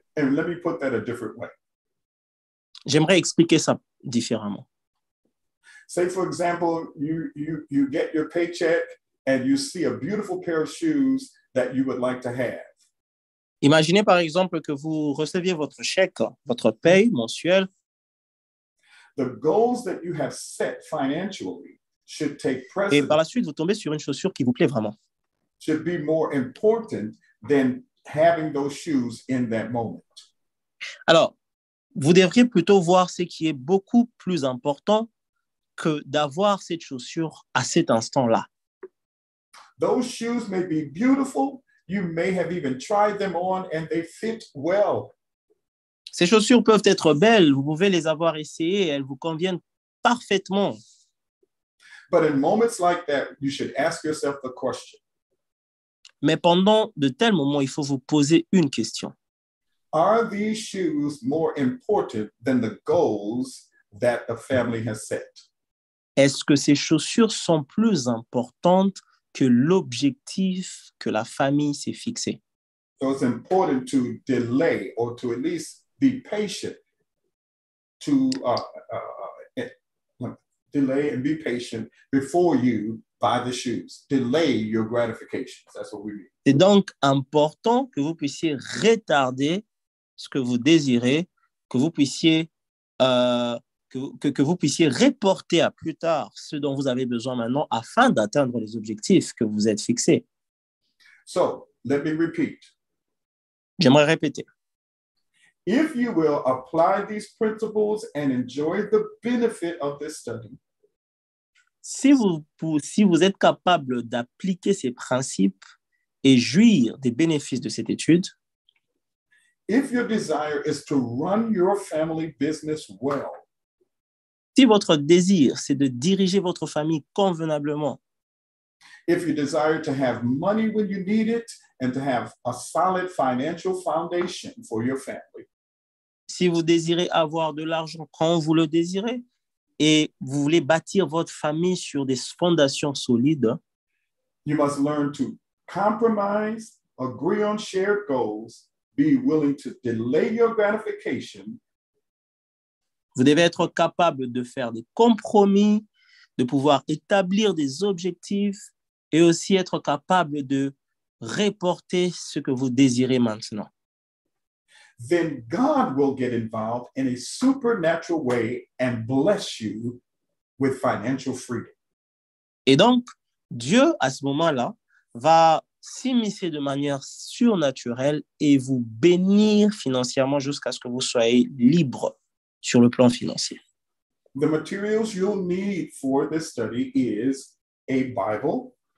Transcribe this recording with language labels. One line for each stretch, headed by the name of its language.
English: And let me put that a different way.
French: J'aimerais expliquer ça différemment.
English: Say, for example, you get your paycheck and you see a beautiful pair of shoes that you would like to have.
French: Imaginez par exemple que vous receviez votre chèque, votre paye mensuelle.
English: The goals that you have set financially should take precedence.
French: Et par la suite, vous tombez sur une chaussure qui vous plaît vraiment.
English: Should be more important than having those shoes in that moment.
French: Alors, vous devriez plutôt voir ce qui est beaucoup plus important que d'avoir cette chaussure à cet instant-là.
English: Those shoes may be beautiful. You may have even tried them on and they fit well.
French: Ces chaussures peuvent être belles, vous pouvez les avoir essayées, elles vous conviennent parfaitement.
English: But in moments like that, you should ask yourself the question.
French: Mais pendant de tels moments, il faut vous poser une question.
English: Are these shoes more important than the goals that the family has set?
French: Est-ce que ces chaussures sont plus importantes que l'objectif que la famille s'est fixé?
English: So it's important to delay or to at least be patient to delay and be patient before you buy the shoes. Delay your gratifications. That's what we mean.
French: C'est donc important que vous puissiez retarder ce que vous désirez, que vous puissiez reporter à plus tard ce dont vous avez besoin maintenant afin d'atteindre les objectifs que vous êtes fixés.
English: So, let me repeat.
French: J'aimerais répéter.
English: If you will apply these principles and enjoy the benefit of this study.
French: Si vous êtes capable d'appliquer ces principes et jouir des bénéfices de cette étude.
English: If your desire is to run your family business well.
French: Si votre désir, c'est de diriger votre famille convenablement.
English: If you desire to have money when you need it and to have a solid financial foundation for your family.
French: Si vous désirez avoir de l'argent quand vous le désirez et vous voulez bâtir votre famille sur des fondations solides.
English: You must learn to compromise, agree on shared goals, be willing to delay your gratification.
French: Vous devez être capable de faire des compromis, de pouvoir établir des objectifs et aussi être capable de reporter ce que vous désirez maintenant.
English: Then God will get involved in a supernatural way and bless you with financial freedom.
French: Et donc, Dieu, à ce moment-là, va s'immiscer de manière surnaturelle et vous bénir financièrement jusqu'à ce que vous soyez libre sur le plan financier.
English: The materials you'll need for this study is a Bible.